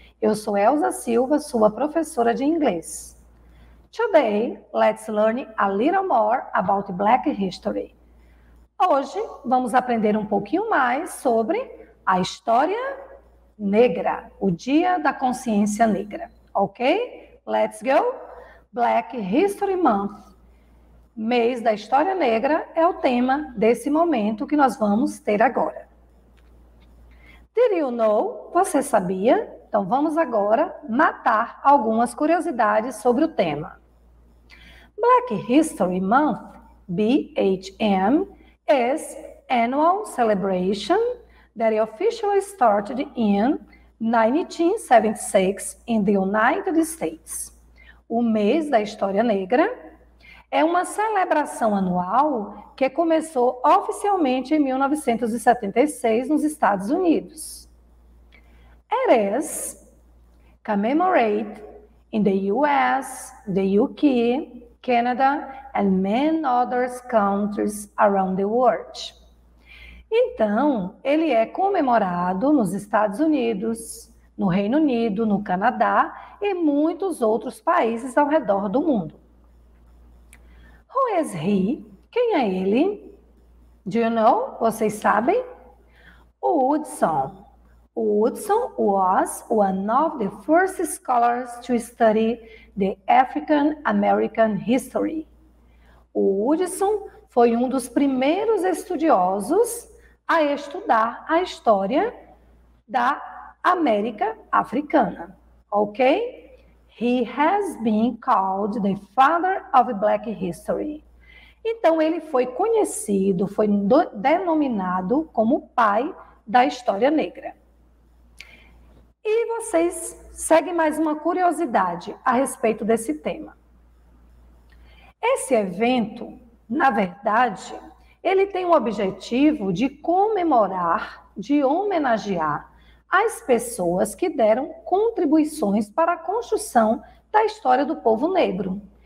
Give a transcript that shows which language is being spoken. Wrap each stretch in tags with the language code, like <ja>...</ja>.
<pt>Eu sou Elsa Silva, sua professora de inglês.</pt> <en>Today, let's learn a little more about Black History.</en> <pt>Hoje, vamos aprender um pouquinho mais sobre a história negra, o Dia da Consciência Negra.</pt> <en>Ok? Let's go!</en> <pt>Black History Month, mês da história negra, é o tema desse momento que nós vamos ter agora.</pt> <en>Did you know?</en> <pt>Você sabia? Então vamos agora matar algumas curiosidades sobre o tema.</pt> <en>Black History Month, BHM, is annual celebration that officially started in 1976 in the United States.</en> <pt>O mês da história negra é uma celebração anual que começou oficialmente em 1976 nos Estados Unidos.</pt> <en>It is commemorated in the US, the UK, Canada and many other countries around the world.</en> <pt>Então, ele é comemorado nos Estados Unidos, no Reino Unido, no Canadá e muitos outros países ao redor do mundo.</pt> <en>Who is he?</en> <pt>Quem é ele?</pt> <en>Do you know?</en> <pt>Vocês sabem?</pt> <en>Woodson. Woodson was one of the first scholars to study the African American history.</en> <pt>Woodson foi um dos primeiros estudiosos a estudar a história da América Africana, ok?</pt> <en>He has been called the father of Black History.</en> <pt>Então ele foi conhecido, foi denominado como pai da história negra. E vocês seguem mais uma curiosidade a respeito desse tema. Esse evento, na verdade, ele tem o objetivo de comemorar, de homenagear as pessoas que deram contribuições para a construção da história do povo negro.</pt>